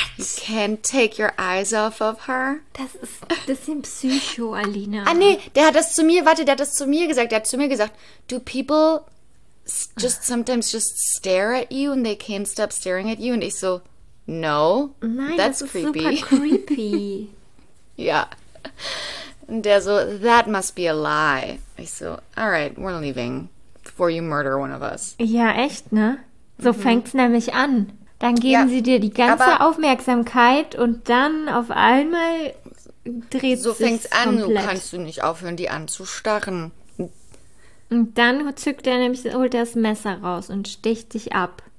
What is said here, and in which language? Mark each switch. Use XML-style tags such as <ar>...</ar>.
<en>You can't take your eyes off of her?</en> <de>Das ist ein bisschen Psycho, Alina. Ah, nee, der hat das zu mir gesagt. Der hat zu mir gesagt,</de> <en>do people just sometimes just stare at you and they can't stop staring at you?</en> <de>Und ich so, no. Nein, that's das creepy. Ist super creepy. Ja. Und der so,</de> <en>that must be a lie.</en> <de>Ich so,</de> <en>all right, we're leaving before you murder one of us.</en> <de>Ja, echt, ne? So fängt's nämlich an. Dann geben sie dir die ganze Aufmerksamkeit und dann auf einmal dreht sich's komplett. So fängt's an, komplett. Du kannst du nicht aufhören, die anzustarren. Und dann holt das Messer raus und sticht dich ab.</de>